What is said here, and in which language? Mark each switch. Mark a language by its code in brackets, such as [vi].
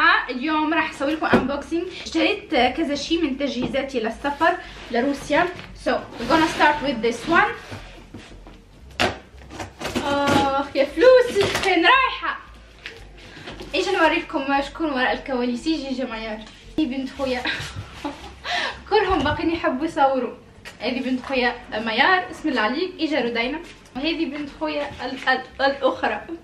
[ar] اليوم راح اسوي لكم انبوكسينج. اشتريت كذا شيء من تجهيزاتي للسفر لروسيا. [en] So we're gonna start with this one. [ar] اخ يا فلوسي فين رايحة؟ ايش نوريكم شكون وراء الكواليس. يجي جماير هذه بنت خويا كلهم باقين يحبوا يصوروا. هذه بنت خويا ميار، اسم الله عليك. اجا رودينا. وهذه بنت خويا الاخرى.